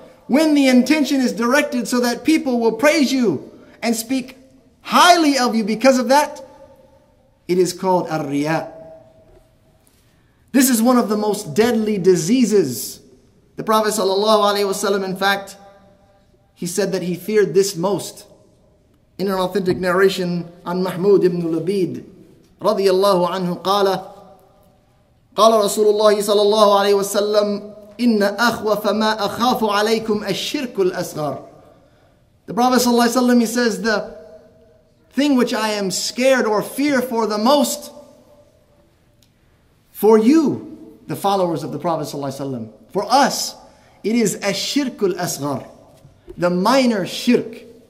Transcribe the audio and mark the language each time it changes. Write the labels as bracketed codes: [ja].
[en] When the intention is directed so that people will praise you and speak highly of you because of that, it is called ar-riya. This is one of the most deadly diseases. The Prophet sallallahu alaihi wasallam, in fact, he said that he feared this most. In an authentic narration, [ar] عن محمود بن لبيد رضي الله عنه قال قال رسول الله صلى الله عليه وسلم إن أخوف ما أخاف عليكم الشرك الأصغر. [en] The Prophet صلى الله عليه وسلم, he says, the thing which I am scared or fear for the most for you, the followers of the Prophet صلى الله عليه وسلم, for us, it is الشرك الأصغر, the minor shirk.